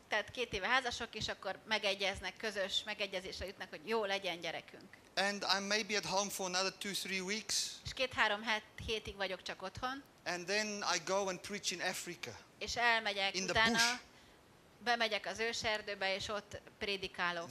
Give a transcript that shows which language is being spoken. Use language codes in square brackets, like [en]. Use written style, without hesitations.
[hu] Tehát 2 éve házasok, és akkor megegyeznek, közös megegyezésre jutnak, hogy jó legyen gyerekünk. [en] And I'm maybe at home for another 2-3 weeks. [hu] És 2-3 hétig vagyok csak otthon. [en] And then I go and preach in Africa. [hu] És elmegyek utána, bemegyek az őserdőbe, és ott prédikálok.